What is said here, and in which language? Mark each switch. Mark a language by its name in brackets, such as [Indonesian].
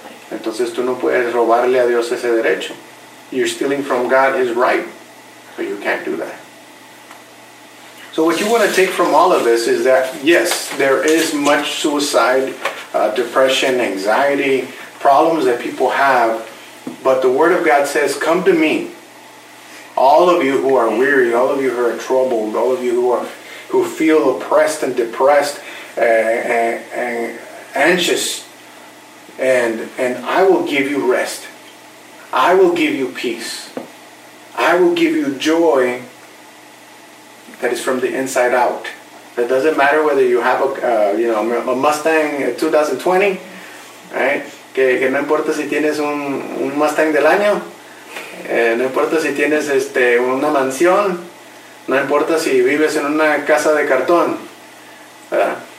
[Spanish] Entonces tú no puedes robarle a Dios ese derecho. [English] You're stealing from God his right. So you can't do that. So what you want to take from all of this is that yes, there is much suicide, depression, anxiety, problems that people have, but the Word of God says, come to me. All of you who are weary, all of you who are troubled, all of you who are who feel oppressed and depressed and anxious, and I will give you rest. I will give you peace. I will give you joy that is from the inside out. It doesn't matter whether you have a Mustang 2020, right? [Spanish] Que no importa si tienes un Mustang del año, no importa si tienes una mansión, no importa si vives en una casa de cartón, ¿verdad?